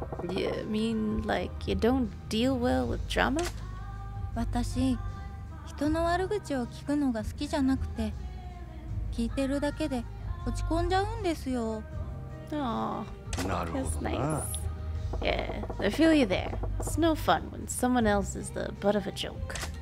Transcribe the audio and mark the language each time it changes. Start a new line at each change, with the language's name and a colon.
English: You mean like you don't deal well with drama?
Japanese: 私、人の悪口を聞くのが好きじゃなくて、聞いてるだけで落ち込んじゃうんですよ。
English: Aww, that's nice. Yeah, I feel you there. It's no fun when someone else is the butt of a joke.